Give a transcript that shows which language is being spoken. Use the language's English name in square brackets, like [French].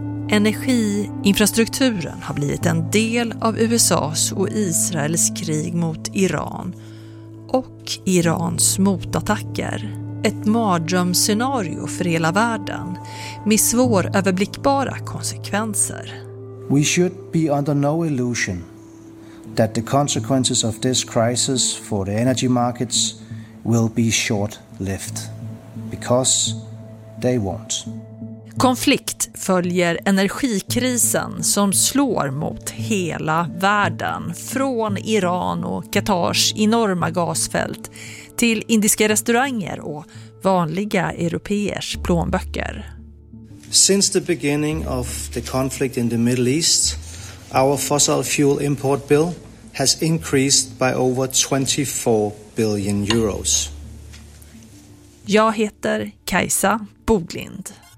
[Swedish] Energiinfrastrukturen har blivit en del av USA:s och Israels krig mot Iran och Irans motattacker. Ett mardrömsscenario för hela världen med svåröverblickbara konsekvenser. [English] We should be under no illusion that the consequences of this crisis for the energy markets will be short-lived, because they won't. [Swedish] Konflikt följer energikrisen som slår mot hela världen, från Iran och Katars enorma gasfält till indiska restauranger och vanliga europeers plånböcker. [English] Since the beginning of the conflict in the Middle East, our fossil fuel import bill has increased by over 24 billion euros. [Swedish] Jag heter Kajsa Boglind.